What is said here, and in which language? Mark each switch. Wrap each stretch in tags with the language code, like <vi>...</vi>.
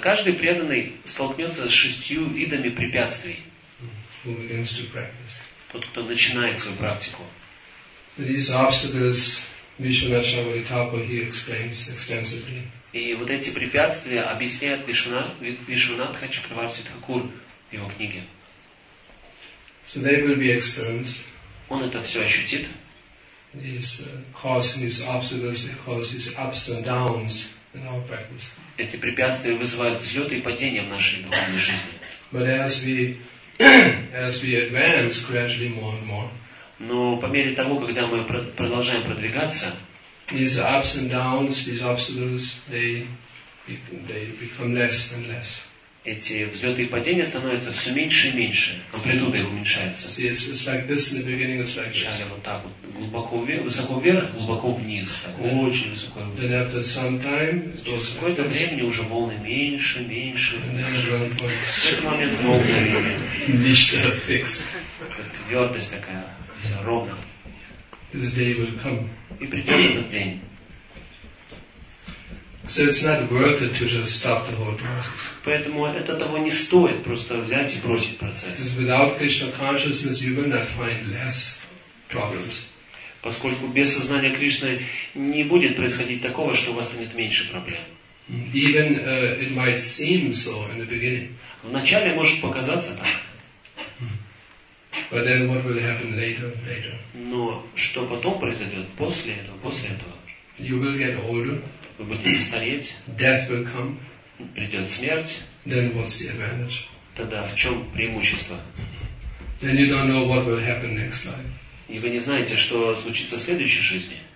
<ru>Каждый преданный столкнется с шестью видами препятствий.</ru> <en>Who begins to practice.</en> <ru>Тот, кто начинает свою практику.</ru> <en>These obstacles, Vishwanath Chakravarti Thakur, he explains extensively.</en> <ru>И вот эти препятствия объясняет Вишванатха Чакраварти Такур в его книге.</ru> <en>So they will be experienced.</en> <ru>Он это все ощутит.</ru> <en>These obstacles, they cause these ups and downs in our practice.</en> <ru>Эти препятствия вызывают взлеты и падения в нашей духовной жизни.</ru> <en>But as we advance gradually more and more.</en> <ru>Но по мере того, когда мы продолжаем продвигаться,</ru> <en>these ups and downs, these obstacles, they become less and less.</en> <ru>Эти взлеты и падения становятся все меньше и меньше. Амплитуда их уменьшается.</ru> <en>See, it's like this in the beginning, it's like this.</en> <ru>Вот так вот. Глубоко вверх, высоко вверх, глубоко вниз. Так, then, очень высоко вниз.</ru> <en>Then after some time,</en> <ru>через какое-то время уже волны меньше, меньше.</ru> <en>And then there's one point.</en> <ru>В этот момент волны меньше. Ничто fixed. Твердость такая, все ровно.</ru> <en>This day will come.</en> <ru>И придет этот день.</ru> <en>So it's not worth it to just stop the whole process.</en> <ru>Поэтому это того не стоит просто взять и бросить процесс.</ru> <en>Because without Krishna consciousness, you will not find less problems.</en> <ru>Поскольку без сознания Кришны не будет происходить такого, что у вас станет меньше проблем.</ru> <en>Even it might seem so in the beginning.</en> <ru>Вначале может показаться так.</ru> <en>But then what will happen later?</en> <ru>Но что потом произойдет после этого?</ru> <en>You will get older.</en> <ru>Вы будете стареть.</ru> <en>Death will come.</en> <ru>Придет смерть.</ru> <en>Then what's the advantage?</en> <ru>Тогда в чем преимущество?</ru> <en>Then you don't know what will happen next life.</en> <ru>И вы не знаете, что случится в следующей жизни.</ru>